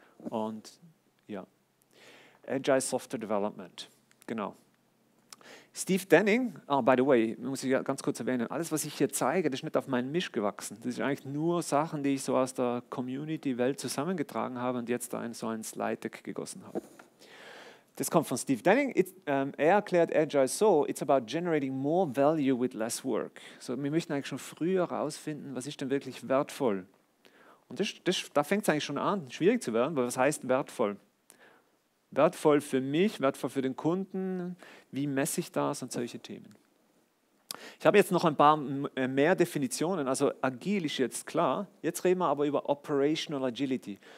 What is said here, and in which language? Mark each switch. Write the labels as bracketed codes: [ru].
[de] Und ja, Agile Software Development, genau. Steve Denning, [en] oh, by the way, [de] muss ich ganz kurz erwähnen, alles, was ich hier zeige, das ist nicht auf meinen Misch gewachsen. Das sind eigentlich nur Sachen, die ich so aus der Community-Welt zusammengetragen habe und jetzt da in so ein Slide-Deck gegossen habe. Das kommt von Steve Denning. Er erklärt Agile so, [en] it's about generating more value with less work. [de] So, wir möchten eigentlich schon früher herausfinden, was ist denn wirklich wertvoll. Und da fängt es eigentlich schon an, schwierig zu werden, weil was heißt wertvoll? Wertvoll für mich, wertvoll für den Kunden, wie messe ich das und solche Themen. Ich habe jetzt noch ein paar mehr Definitionen, also agil ist jetzt klar, jetzt reden wir aber über Operational Agility.